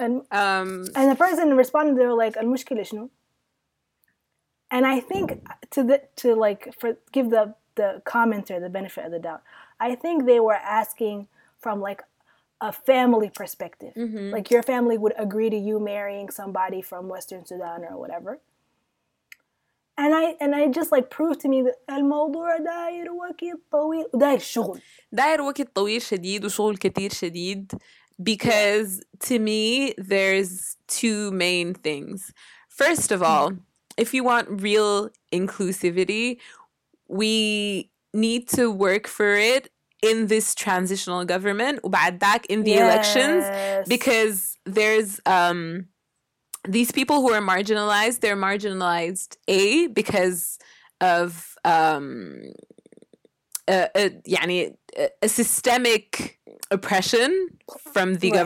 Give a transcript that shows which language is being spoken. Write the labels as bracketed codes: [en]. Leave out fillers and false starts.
[en] And the person responded, they were like, [ar] المشكلة شنو? [en] And I think to give the commenter the benefit of the doubt, I think they were asking from like a family perspective. Mm-hmm. Like your family would agree to you marrying somebody from Western Sudan or whatever. And I just like proved to me that [ar] الموضوع داير وقت طويل وداير شغل. داير وقت طويل شديد وشغل كتير شديد. [en] Because to me, there's two main things. First of all, if you want real inclusivity, we need to work for it in this transitional government, [ar] وبعد ذاك [en] in the yes. elections, because there's these people who are marginalized, they're marginalized, A, because of a systemic oppression from the right.